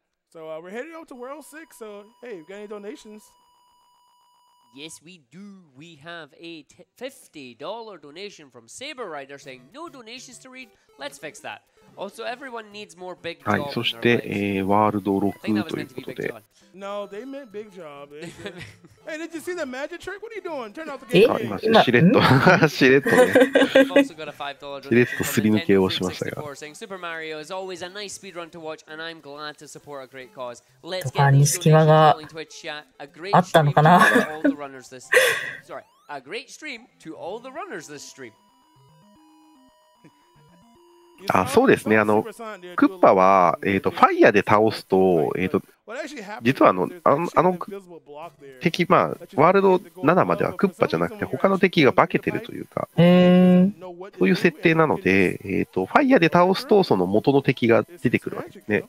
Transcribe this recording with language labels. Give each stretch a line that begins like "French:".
English: So we're heading out to World 6, so hey, you got any donations? Yes, we do. We have a $50 donation from Saber Rider saying no donations to read. Let's fix that. Also, everyone needs more big job.
Japanese: はい、そして、ワールド6ということで。
English: No, they meant big job. Hey, did you see the magic trick? What are you doing? Turn off the game.
Japanese: しれっと、しれっとね。しれっとすり抜けをしましたが。
English: Super Mario is always a nice speed run to watch, and I'm glad to support a great cause. Let's get this donation going Twitch chat. A great stream to all the runners this stream. Sorry, a great stream to all the runners this stream.
Japanese: あ、そうですね。あのクッパは、ファイヤーで倒すと、実はあの敵、まあワールド7まではクッパじゃなくて他の敵が化けてるというか、そういう設定なので、ファイヤーで倒すとその元の敵が出てくるわけですね。